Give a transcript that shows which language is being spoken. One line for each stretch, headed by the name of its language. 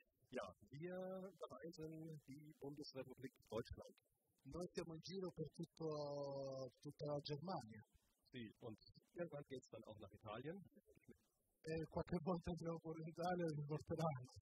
German: Ja, wir bereisen die Bundesrepublik Deutschland.
Italian: Noi siamo in giro per tutta la Germania. Sì,
German: und irgendwann geht's dann auch nach Italien.
Italian: E qualche volta andremo pure in Italia e in Portogallo.